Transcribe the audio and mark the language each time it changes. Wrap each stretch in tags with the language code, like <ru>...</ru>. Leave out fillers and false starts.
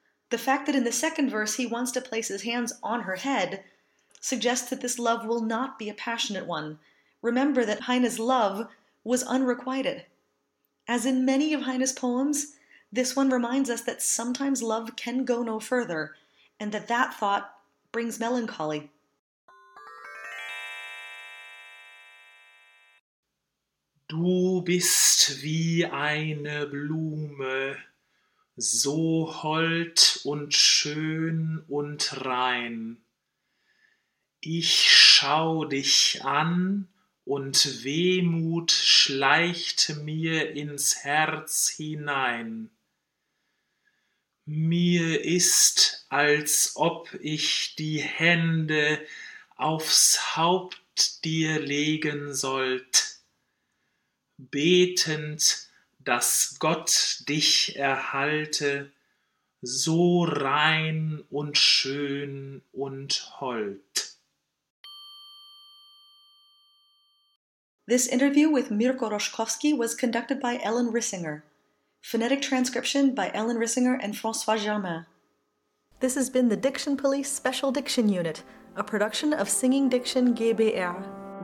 <en>The fact that in the second verse he wants to place his hands on her head suggests that this love will not be a passionate one. Remember that Heine's love was unrequited. As in many of Heine's poems, this one reminds us that sometimes love can go no further, and that thought brings melancholy.</en> <de>Du bist wie eine Blume, so hold und schön und rein. Ich schau dich an Und Wehmut schleicht mir ins Herz hinein. Mir ist, als ob ich die Hände aufs Haupt dir legen sollt, betend, dass Gott dich erhalte, so rein und schön und hold.</de> <en>This interview with Mirko Roshkovsky was conducted by Ellen Rissinger. Phonetic transcription by Ellen Rissinger and François Germain. This has been the Diction Police Special Diction Unit, a production of Singing Diction GbR.</en>